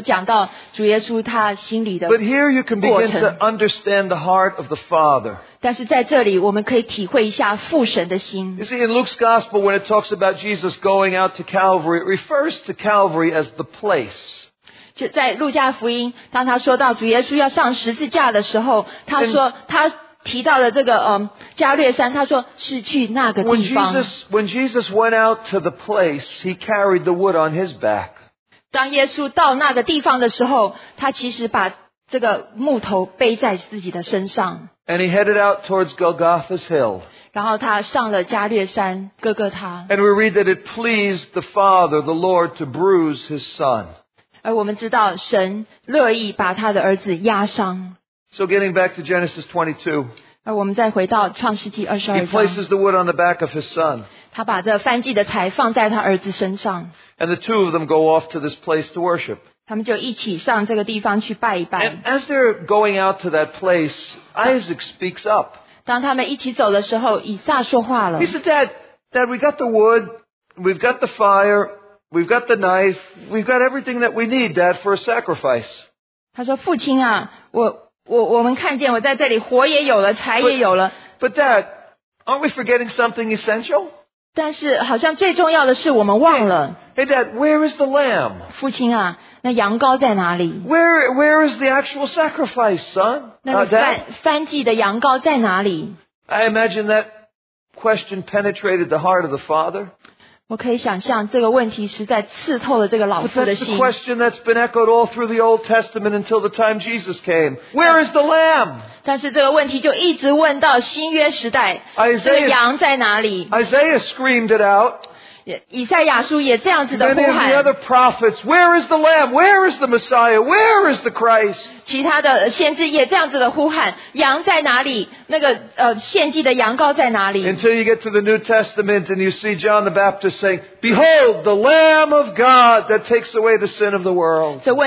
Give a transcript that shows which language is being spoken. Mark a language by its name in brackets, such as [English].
[Chinese] 有些诗篇22篇、69篇都讲到主耶稣他心里的过程。 [English] But here you can begin to understand the heart of the Father. [Chinese] 但是在这里我们可以体会一下父神的心。 [English] You see, in Luke's Gospel, when it talks about Jesus going out to Calvary, it refers to Calvary as the place. [Chinese] 在路加福音, 当他说到主耶稣要上十字架的时候, 他说, 他提到了这个, 加略山, 他说是去那个地方。 [English] When Jesus went out to the place, he carried the wood on his back. [Chinese] 当耶稣到那个地方的时候, 他其实把这个木头背在自己的身上。 [English] And he headed out towards Golgotha's hill. [Chinese] 然后他上了加略山, 哥哥他。 [English] And we read that it pleased the Father, the Lord, to bruise his son. [Chinese] 而我们知道神乐意把他的儿子压伤。 [English] So getting back to Genesis 22, [Chinese] 而我们再回到创世纪22章, [English] he places the wood on the back of his son. [Chinese] 他把这燔祭的柴放在他儿子身上。 [English] And the two of them go off to this place to worship. [Chinese] 他们就一起上这个地方去拜一拜。 [English] And as they're going out to that place, Isaac speaks up. [Chinese] 当他们一起走的时候, 以撒说话了。 [English] He said, Dad, we got the wood, we've got the fire, we've got the knife, we've got everything that we need, Dad, for a sacrifice. [Chinese] 他说, 父亲啊, 我们看见我在这里火也有了, 柴也有了。 [English] But Dad, aren't we forgetting something essential? [Chinese] 但是好像最重要的是我们忘了。 [English] Hey Dad, where is the lamb? [Chinese] 父亲啊, 那羊羔在哪里? [English] Where is the actual sacrifice, son? [Chinese] 那燔祭的羊羔在哪里? [English] I imagine that question penetrated the heart of the Father. [Chinese] 我可以想象这个问题实在刺透了这个老父的心。 [English] But that's the question that's been echoed all through the Old Testament until the time Jesus came. Where is the lamb? [Chinese] 但是这个问题就一直问到新约时代，这个羊在哪里？ [English] Isaiah screamed it out. [Chinese] 以赛亚书也这样子的呼喊。 [English] Many of the other prophets, where is the lamb? Where is the Messiah? Where is the Christ? [Chinese] 其他的先知也这样子的呼喊，羊在哪里？那个献祭的羊羔在哪里？ [English] Until you get to the New Testament and you see John the Baptist saying, Behold, the Lamb of God that takes away the sin of the world.